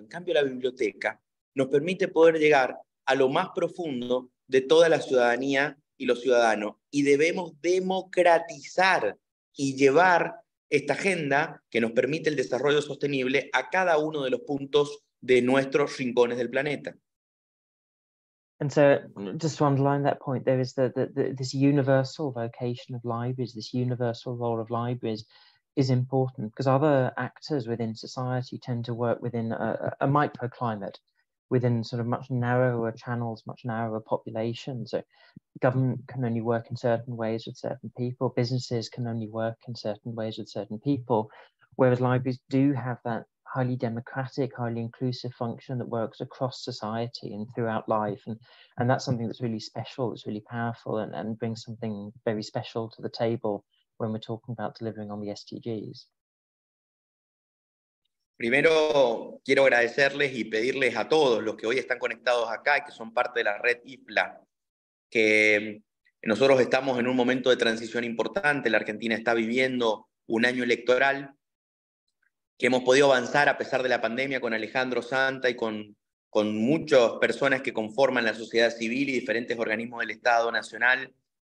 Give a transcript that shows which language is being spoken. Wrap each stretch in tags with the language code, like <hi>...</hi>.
<es>En cambio, la biblioteca nos permite poder llegar a lo más profundo de toda la ciudadanía y los ciudadanos. Y debemos democratizar y llevar esta agenda que nos permite el desarrollo sostenible a cada uno de los puntos de nuestros rincones del planeta.</es> <en>And so, just to underline that point, there is this universal vocation of libraries, this universal role of libraries is important, because other actors within society tend to work within a microclimate, within sort of much narrower channels, much narrower populations. So government can only work in certain ways with certain people, businesses can only work in certain ways with certain people, whereas libraries do have that highly democratic, highly inclusive function that works across society and throughout life. And that's something that's really special, it's really powerful, and brings something very special to the table when we're talking about delivering on the SDGs.</en> <es>Primero, quiero agradecerles y pedirles a todos los que hoy están conectados acá y que son parte de la red IFLA, que nosotros estamos en un momento de transición importante. La Argentina está viviendo un año electoral que hemos podido avanzar a pesar de la pandemia con Alejandro Santa y con muchas personas que conforman la sociedad civil y diferentes organismos del Estado Nacional.</es>